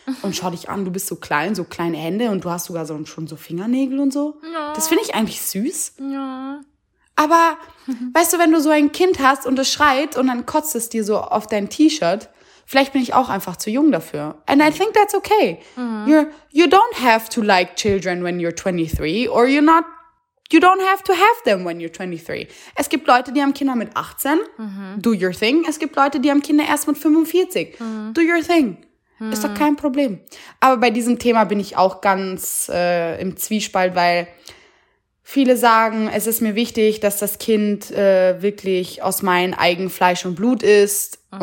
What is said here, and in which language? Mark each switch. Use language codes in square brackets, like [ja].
[de] Und schau dich an, du bist so kleine Hände und du hast sogar schon so Fingernägel und so. Ja. Das finde ich eigentlich süß. Ja. Aber, weißt du, wenn du so ein Kind hast und es schreit und dann kotzt es dir so auf dein T-Shirt, vielleicht bin ich auch einfach zu jung dafür. [en] And I think that's okay. Mhm. You don't have to like children when you're 23 or you're not, you don't have to have them when you're 23. [de] Es gibt Leute, die haben Kinder mit 18. Mhm. [en] Do your thing. [de] Es gibt Leute, die haben Kinder erst mit 45. Mhm. [en] Do your thing. [de] Mhm. Ist doch kein Problem. Aber bei diesem Thema bin ich auch ganz im Zwiespalt, weil viele sagen, es ist mir wichtig, dass das Kind wirklich aus meinem eigenen Fleisch und Blut ist. Mhm.